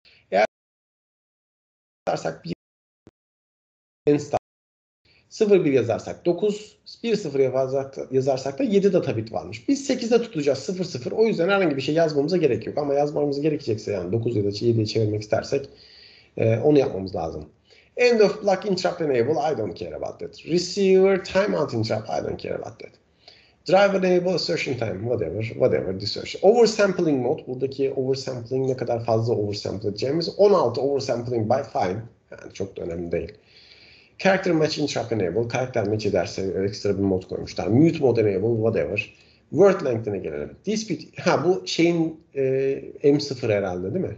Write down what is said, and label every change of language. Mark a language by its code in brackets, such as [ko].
[tr] Eğer yazarsak 0-1 yazarsak 9, 1-0 yazarsak da 7 data bit varmış. Biz 8'de tutacağız 0-0. O yüzden herhangi bir şey yazmamıza gerek yok. Ama yazmamız gerekecekse yani 9 ya da 7'ye çevirmek istersek onu yapmamız lazım. [en] End of block interrupt enable, I don't care about that. Receiver timeout interrupt, I don't care about that. Driver enable assertion time, whatever, whatever, desertion. [tr] Oversampling mode, buradaki oversampling ne kadar fazla oversample edeceğimiz. [en] 16 oversampling by fine, [tr] yani çok da önemli değil. [en] Character match interrupt enable, [tr] karakter match ederse ekstra bir mod koymuşlar. [en] Mute mode enable, whatever. [tr] Word length'ine gelelim. Dispute, ha bu şeyin M0 herhalde değil mi?